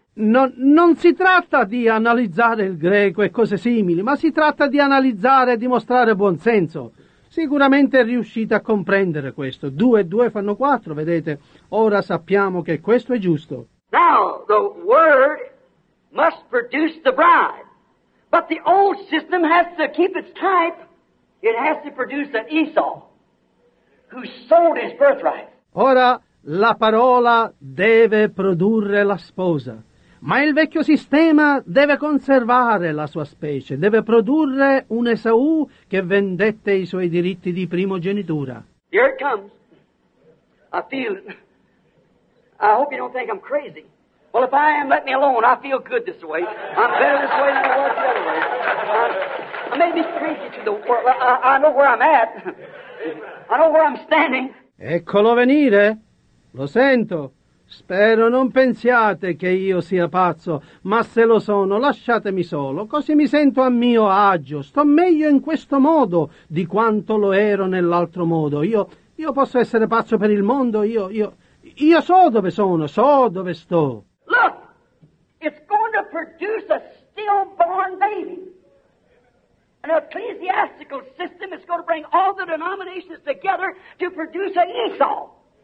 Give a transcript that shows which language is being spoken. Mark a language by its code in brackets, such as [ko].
[it] Non si tratta di analizzare il greco e cose simili, ma si tratta di analizzare e dimostrare buon senso. Sicuramente riuscite a comprendere questo. 2 e 2 fanno 4, vedete? Ora sappiamo che questo è giusto. [en] Now, the word must produce the bride. But the old system has to keep its type. It has to produce an Esau who sold his birthright. [it] Ora, la parola deve produrre la sposa. Ma il vecchio sistema deve conservare la sua specie, deve produrre un Esaù che vendette i suoi diritti di primogenitura. [en] Here it comes. I feel it. I hope you don't think I'm crazy. Well, if I am, let me alone. I feel good this way. I'm better this way than I was the other way. I may be crazy to the world. I know where I'm at. I know where I'm standing. [it] Eccolo venire. Lo sento. Spero non pensiate che io sia pazzo, ma se lo sono, lasciatemi solo, così mi sento a mio agio. Sto meglio in questo modo di quanto lo ero nell'altro modo. Io posso essere pazzo per il mondo, io so dove sono, so dove sto. [en] Look, it's going to produce a stillborn baby. An ecclesiastical system is going to bring all the denominations together to produce an Esau.